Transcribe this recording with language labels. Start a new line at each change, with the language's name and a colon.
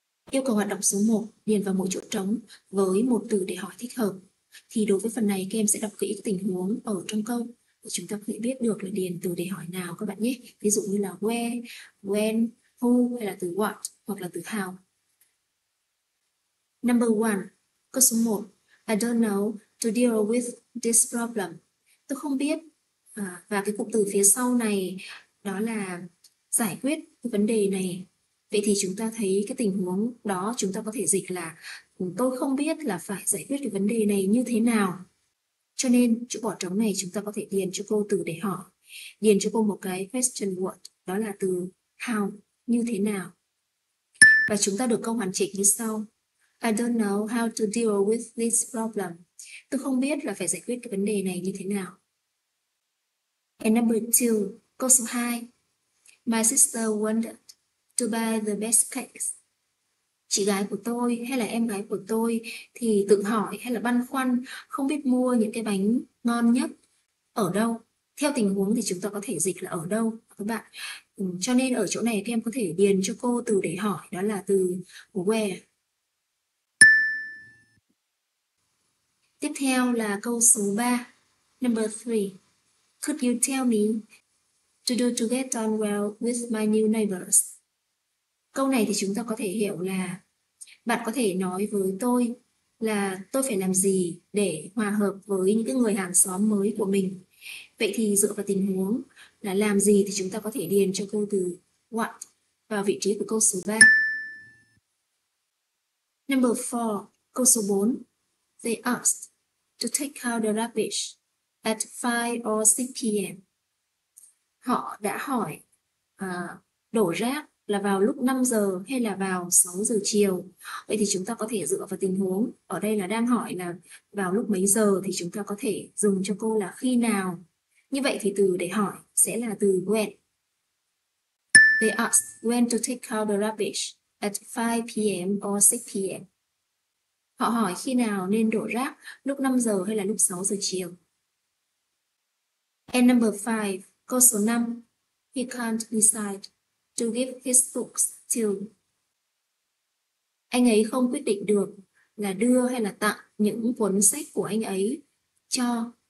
Vietnamese: Yêu cầu hoạt động số 1 điền vào một chỗ trống với một từ để hỏi thích hợp. Thì đối với phần này các em sẽ đọc kỹ tình huống ở trong câu để chúng ta có thể biết được là điền từ để hỏi nào các bạn nhé. Ví dụ như là where, when, who hay là từ what hoặc là từ how.
English: Number one,
Vietnamese: câu số 1.
English: I don't know to deal with this problem.
Vietnamese: Tôi không biết. À, và cái cụm từ phía sau này đó là giải quyết cái vấn đề này. Vậy thì chúng ta thấy cái tình huống đó chúng ta có thể dịch là tôi không biết là phải giải quyết cái vấn đề này như thế nào. Cho nên chỗ bỏ trống này chúng ta có thể điền cho cô từ để hỏi. Điền cho cô một cái question word đó là từ how, như thế nào. Và chúng ta được câu hoàn chỉnh như sau.
English: I don't know how to deal with this problem.
Vietnamese: Tôi không biết là phải giải quyết cái vấn đề này như thế nào.
English: And number two,
Vietnamese: câu số 2.
English: My sister wanted to buy the best cakes.
Vietnamese: Chị gái của tôi hay là em gái của tôi thì tự hỏi hay là băn khoăn không biết mua những cái bánh ngon nhất ở đâu. Theo tình huống thì chúng ta có thể dịch là ở đâu các bạn. Cho nên ở chỗ này các em có thể điền cho cô từ để hỏi đó là từ where. Tiếp theo là câu số 3.
English: Number 3. Could you tell me to do to get on well with my new neighbors?
Vietnamese: Câu này thì chúng ta có thể hiểu là bạn có thể nói với tôi là tôi phải làm gì để hòa hợp với những cái người hàng xóm mới của mình. Vậy thì dựa vào tình huống là làm gì thì chúng ta có thể điền cho câu từ what vào vị trí của câu số 3.
English: Number 4,
Vietnamese: câu số 4.
English: They asked to take out the rubbish at 5 or 6 p.m.
Vietnamese: Họ đã hỏi đổ rác là vào lúc 5 giờ hay là vào 6 giờ chiều. Vậy thì chúng ta có thể dựa vào tình huống. Ở đây là đang hỏi là vào lúc mấy giờ thì chúng ta có thể dùng cho cô là khi nào. Như vậy thì từ để hỏi sẽ là từ when.
English: They asked when to take out the rubbish at 5 p.m. or 6 p.m.
Vietnamese: Họ hỏi khi nào nên đổ rác, lúc 5 giờ hay là lúc 6 giờ chiều.
English: And number 5,
Vietnamese: câu số 5.
English: He can't decide to give his books to.
Vietnamese: Anh ấy không quyết định được là đưa hay là tặng những cuốn sách của anh ấy cho.